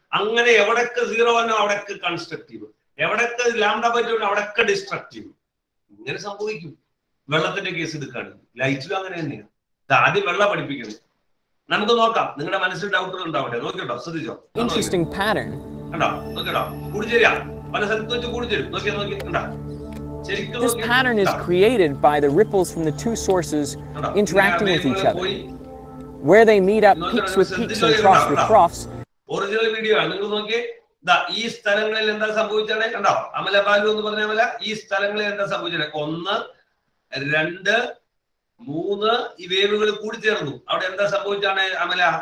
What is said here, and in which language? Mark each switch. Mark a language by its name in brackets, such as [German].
[Malayalam] അങ്ങനെ എവിടൊക്കെ സീറോ ആണോ അവിടൊക്കെ കൺസ്ട്രക്റ്റീവ്, എവിടൊക്കെ ലാംഡ ബൈ ടു ആണോ അവിടൊക്കെ ഡിസ്ട്രക്റ്റീവ്. ഇങ്ങനെ സംഭവിക്കും. വെള്ളത്തിന്റെ കേസ് എടുക്കാണ്, ലൈറ്റിലും അങ്ങനെ തന്നെയാണ്. ആദ്യം വെള്ളം പഠിപ്പിക്കുന്നത് നമുക്ക് നോക്കാം, നിങ്ങളുടെ മനസ്സിൽ ഡൗട്ടുകൾ ഉണ്ടാവട്ടെ, നോക്കിട്ടോ, ശ്രദ്ധിച്ചോ, [English] interesting pattern [Malayalam] കണ്ടോ, നോക്കിട്ടോ, കൂടിച്ചേരിയാ പല സ്ഥലത്ത് വെച്ച് കൂടിച്ചേരും, നോക്കിയാ നോക്കി കണ്ടോ. [English] This pattern is created by the ripples from the two sources interacting with each other. Where they meet up peaks with peaks and troughs with troughs. Original video, you can see [Malayalam] ഈ സ്ഥലങ്ങളിൽ എന്താ സംഭവിച്ചത് കണ്ടോ അമലബാലു എന്ന് പറഞ്ഞ പോലെ ഈ സ്ഥലങ്ങളിൽ എന്താ സംഭവിച്ചത് ഒന്ന് രണ്ട് മൂന്ന് ഈ വേവുകൾ കൂടിച്ചേർന്നു അവിടെ എന്താ സംഭവിച്ചാണ് അമല